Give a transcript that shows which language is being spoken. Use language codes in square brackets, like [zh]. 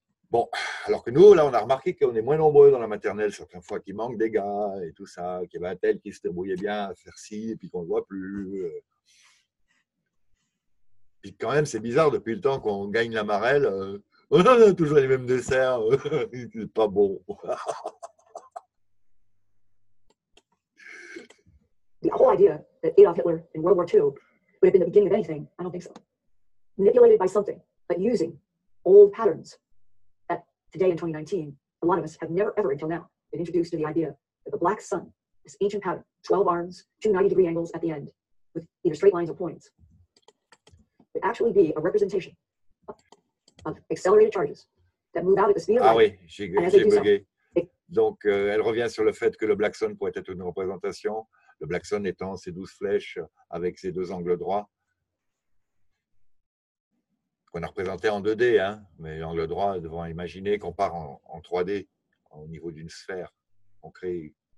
[fr] Bon, alors que nous, là, on a remarqué qu'on est moins nombreux dans la maternelle, certaines fois qu'il manque des gars et tout ça, qu'il y avait un tel qui se débrouillait bien à faire ci, et puis qu'on ne le voit plus. Puis quand même, c'est bizarre, depuis le temps qu'on gagne la marelle, on a toujours les mêmes desserts, c'est pas bon. [en] The whole idea that Adolf Hitler in World War II would have been the beginning of anything, I don't think so. Manipulated by something, but using old patterns. Today in 2019, a lot of us have never ever until now been introduced to the idea that the black sun, this ancient pattern, 12 arms, two 90-degree angles at the end, with either straight lines or points, would actually be a representation of accelerated charges that move out at the speed of light. [fr] Ah oui, j'ai bugué. Donc, elle revient sur le fait que le black sun pourrait être une représentation, le black sun étant ses 12 flèches avec ses deux angles droits. Qu'on a représenté en 2D, hein, mais l'angle droit, devant imaginer qu'on part en 3D, au niveau d'une sphère, on crée.